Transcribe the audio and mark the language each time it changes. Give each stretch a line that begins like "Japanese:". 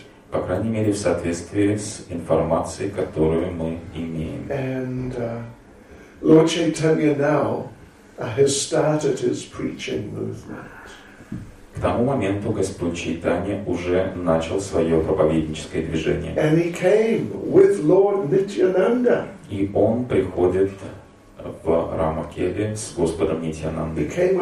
Russian: По крайней мере, в соответствии с информацией, которую мы имеем.
English: And Lord Chaitanya now has started his preaching movement.
Russian: К тому моменту Господь Чайтанья уже начал свое проповедническое движение.
English: And he came with Lord Nityananda.
Russian: И он приходит в Рамакели с Господом Нитьянандой.